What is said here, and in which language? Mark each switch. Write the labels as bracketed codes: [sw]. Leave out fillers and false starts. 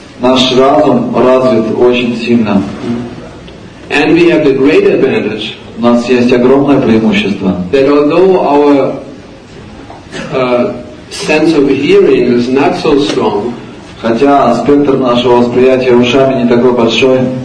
[ru] Наш разум развит очень сильно. [en] And we have the great advantage, [ru] у нас есть огромное преимущество, [en] that although our sense of hearing is not so strong, [ru] хотя спектр нашего восприятия ушами не такой большой,